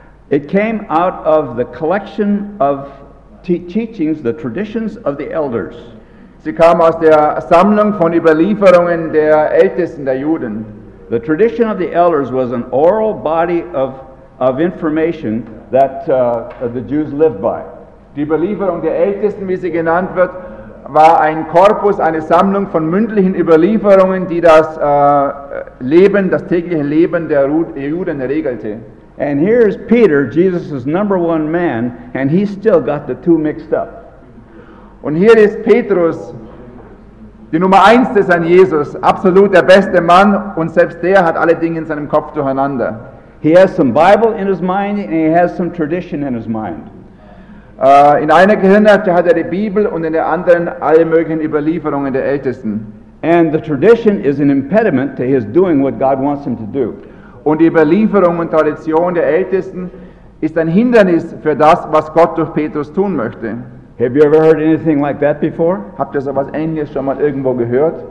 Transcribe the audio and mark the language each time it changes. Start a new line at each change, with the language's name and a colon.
English: It came out of the collection of teachings, the traditions of the elders.
German: Sie kam aus der Sammlung von Überlieferungen der Ältesten der Juden.
English: The tradition of the elders was an oral body of information that the Jews lived by.
German: Die Überlieferung der Ältesten, wie sie genannt wird, war ein Korpus, eine Sammlung von mündlichen Überlieferungen, die das tägliche Leben der Juden regelte.
English: And here is Peter, Jesus' number one man, and he still got the two mixed up.
German: Und hier ist Petrus, die Nummer eins des Herrn Jesus, absolut der beste Mann, und selbst der hat alle Dinge in seinem Kopf durcheinander.
English: He has some Bible in his mind, and he has some tradition in his mind.
German: In einer Gehirnhälfte hat die Bibel, und in der anderen alle möglichen Überlieferungen der Ältesten.
English: And the tradition is an impediment to his doing what God wants him to do.
German: Und die Überlieferung und Tradition der Ältesten ist ein Hindernis für das, was Gott durch Petrus tun möchte.
English: Have you ever heard anything like that before?
German: Habt ihr sowas Ähnliches schon mal irgendwo gehört?